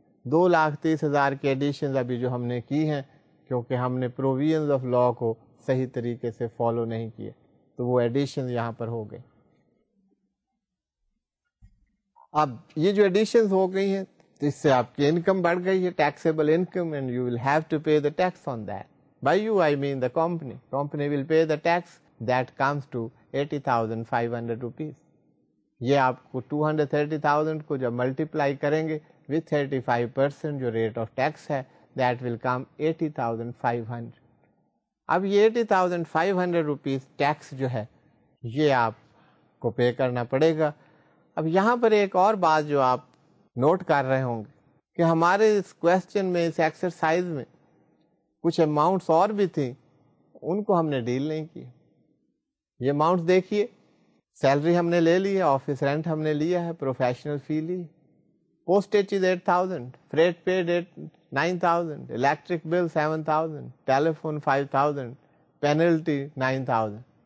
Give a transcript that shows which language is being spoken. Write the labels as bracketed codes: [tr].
[ur] 2,30,000 کے ایڈیشنز ابھی جو ہم نے کی ہیں, کیونکہ ہم نے پروویژنز آف لا کو صحیح طریقے سے فالو نہیں کیے, تو وہ ایڈیشنز یہاں پر ہو گئے. اب یہ جو ایڈیشنز ہو گئی ہیں, اس سے آپ کی انکم بڑھ گئی ہے, taxable income, [en] And you will have to pay the tax on that. By you, I mean the company. Company will pay the tax, that comes to 80,500 rupees. [ur] Ye aapko 230,000 ko jab multiply karenge with 35% jo rate of tax hai, [en] that will come 80,500. [ur] Ab ye 80,500 rupees tax jo hai, ye aapko pay karna padega. Ab yahan par ek aur baat jo aap note kar rahe honge, ki hamare is question mein, is exercise mein, کچھ amounts اور بھی تھیں, ان کو ہم نے deal نہیں کی. یہ اماؤنٹس دیکھیے, سیلری ہم نے لے لی ہے, آفس رینٹ ہم نے لیا ہے, پروفیشنل فی لی, پوسٹیج 8,000, فریٹ پیڈ 9,000, الیکٹرک بل 7,000, ٹیلیفون 5,000, پینلٹی 9,000.